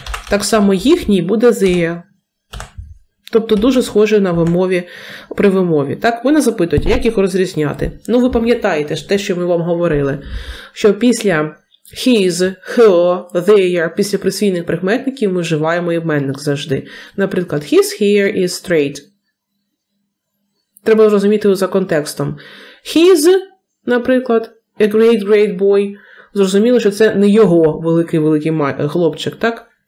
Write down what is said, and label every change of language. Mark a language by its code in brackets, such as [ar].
[uk] Так само їхній буде their. Тобто дуже схоже на вимові, при вимові. Так, мене запитують, як їх розрізняти? Ну, ви пам'ятаєте ж те, що ми вам говорили, що після his, her, their, після присвійних прикметників ми вживаємо іменник завжди. [en] Наприклад, his hair is straight. [uk] Треба зрозуміти за контекстом. [en] His, наприклад, a great, great boy. [uk] Зрозуміло, що це не його великий-великий хлопчик, так?